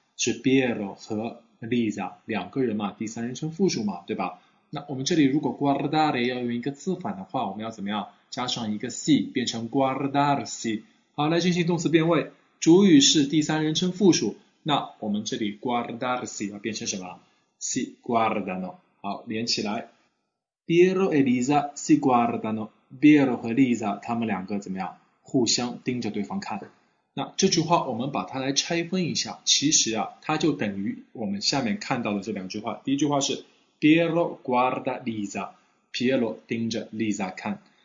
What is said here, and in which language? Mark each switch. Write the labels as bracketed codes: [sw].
[zh] 是 Piero 和 Lisa 两个人嘛，第三人称复数嘛，对吧？那我们这里如果 guardare 要用一个自反的话，我们要怎么样？加上一个 si 变成 guardarsi。好，来进行动词变位，主语是第三人称复数，那我们这里 guardarsi 要变成什么？ [it] si guardano。 [zh] 好，连起来， [it] Piero e Lisa si guardano。 [zh] Piero 和 Lisa 他们两个怎么样？互相盯着对方看，那这句话我们把它来拆分一下，其实啊，它就等于我们下面看到的这两句话。第一句话是 [it] Piero guarda Lisa， [zh] Piero 盯着 Lisa 看。